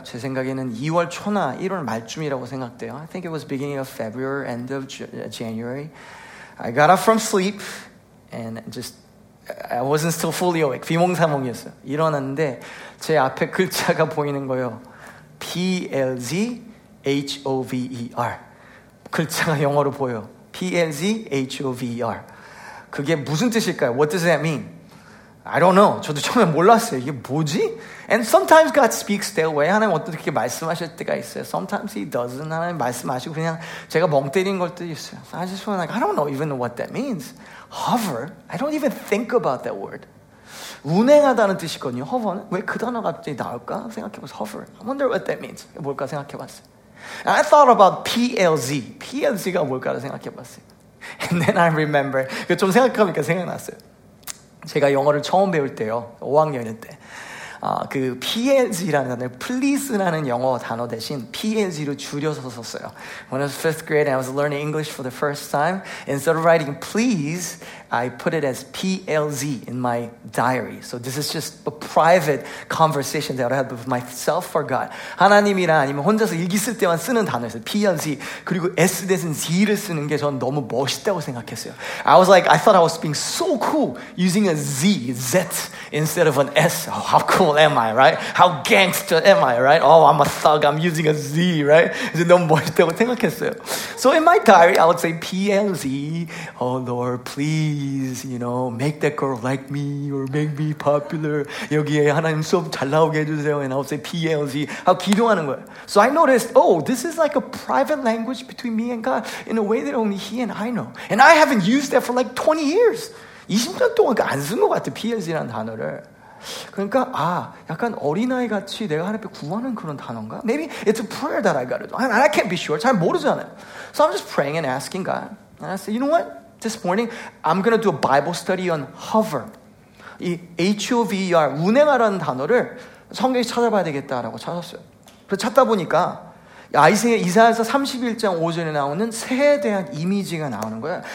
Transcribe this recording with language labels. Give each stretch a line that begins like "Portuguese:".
Korean: 제 생각에는 2월 초나 1월 말쯤이라고 생각돼요.
English: I think it was beginning of February, end of January. I got up from sleep and just I wasn't still fully awake.
Korean: 비몽사몽이었어요. 일어났는데 제 앞에 글자가 보이는 거예요.
English: PLZHOVER.
Korean: 글자가 영어로 보여. PLZHOVER. 그게 무슨 뜻일까요?
English: What does that mean? I don't know.
Korean: 저도 처음에 몰랐어요. 이게 뭐지?
English: And sometimes God speaks that way.
Korean: 하나님 어떻게 말씀하실 때가 있어요.
English: Sometimes he doesn't.
Korean: 하나님 말씀하시고 그냥 제가 멍 때린 걸 때도 있어요.
English: So I just feel like I don't know even what that means. Hover. I don't even think about that word.
Korean: 운행하다는 뜻이거든요. Hover는. 왜 그 단어가 갑자기 나올까 생각해봤어요.
English: Hover. I wonder what that means.
Korean: 뭘까 생각해봤어요.
English: And I thought about PLZ.
Korean: PLZ가 뭘까 생각해봤어요.
English: And then I remember.
Korean: 좀 생각하니까 생각났어요. 제가 영어를 처음 배울 때요, 5학년 때, 그 PLZ라는 please라는 영어 단어 대신 PLZ로 줄여서 썼어요.
English: When I was fifth grade and I was learning English for the first time, instead of writing please, I put it as PLZ in my diary. So this is just a private conversation that I had with myself or God.
Korean: 하나님이랑 아니면 혼자서 일기 쓸 때만 쓰는 단어였어요.
English: PLZ.
Korean: 그리고 S 대신 Z를 쓰는 게 전 너무 멋있다고 생각했어요.
English: I was like, I thought I was being so cool using a Z, Z instead of an S. Oh, how cool am I, right? How gangster am I, right? Oh, I'm a thug. I'm using a Z, right?
Korean: 이제 너무 멋있다고 생각했어요.
English: So in my diary, I would say PLZ. Oh, Lord, please. Please, you know, make that girl like me or make me popular.
Korean: 여기에 하나님 수업 잘 나오게 해주세요.
English: And I would say PLZ.
Korean: 하고 기도하는 거예요.
English: So I noticed, oh, this is like a private language between me and God in a way that only he and I know. And I haven't used that for like 20 years.
Korean: 20년 동안 안 쓴 것 같아, PLZ라는 단어를. 그러니까, 아, 약간 어린아이 같이 내가 하나님께 구하는 그런 단어인가?
English: Maybe it's a prayer that I gotta do. And I can't be sure.
Korean: 잘 모르잖아요.
English: So I'm just praying and asking God. And I say, you know what? This morning, I'm going to do a Bible study on hover.
Korean: 이 H-O-V-E-R, 운행하라는 단어를 성경에 찾아봐야 되겠다라고 찾았어요. 그래서 찾다 보니까 이사야서 31장 5절에 나오는 새에 대한 이미지가 나오는 거야.